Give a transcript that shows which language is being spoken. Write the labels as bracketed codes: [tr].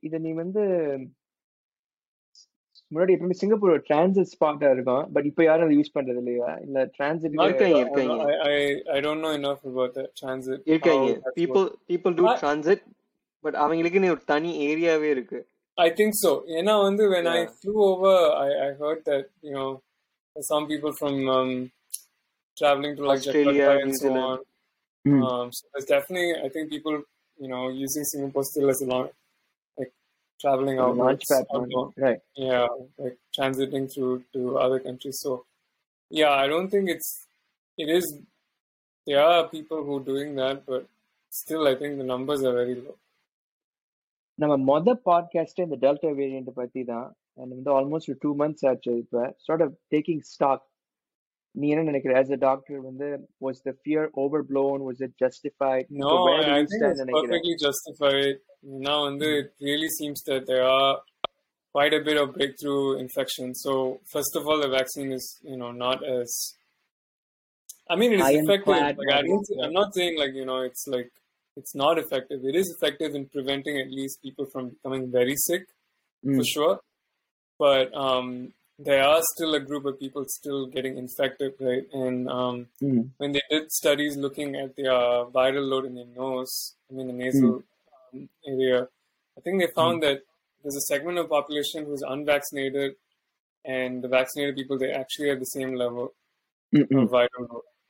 [ta] இது நீ வந்து முன்னாடி எப்பவுமே சிங்கப்பூர் ட்ரான்சிட் ஸ்பாட்டா இருக்கும், பட் இப்ப யாரும் அதை யூஸ் பண்றது இல்லையா? இல்ல ட்ரான்சிட் இருக்காங்க இருக்காங்க. [en] I don't know enough about the transit. [ta] இருக்காங்க. [en] People do transit, but [ta] அவங்களுக்கு ஒரு தனி ஏரியாவே இருக்கு. [en] I think so. [ta] ஏன்னா வந்து [en] when I flew over, I heard that, you know, some people from traveling to like Australia and so on. So there's definitely, I think, people, you know, using Singapore still as a lot like traveling out, right? Yeah, like transiting through to other countries. So yeah, I don't think it is there are people who are doing that, but still I think the numbers are very low. [ta] நம்ம மொத podcast இந்த delta variant பத்தி தான். And வந்து almost [en] 2 months [ta] ஆச்சு இப்போ. [en] Start of taking stock. [ta] நீ என்ன நினைக்கிற [en] As a doctor வந்து, was the fear overblown, was it justified? No, I think it's perfectly justified. Now வந்து it really seems that there are quite a bit of breakthrough infection. So first of all the vaccine is you know not as I mean it is effective. I'm not saying like you know it's like it's not effective. It is effective in preventing at least people from becoming very sick, for sure. But there are still a group of people still getting infected, right? And when they did studies looking at their viral load in their nose, I mean, the nasal area, I think they found that there's a segment of population who's unvaccinated, and the vaccinated people, they actually have the same level of viral load.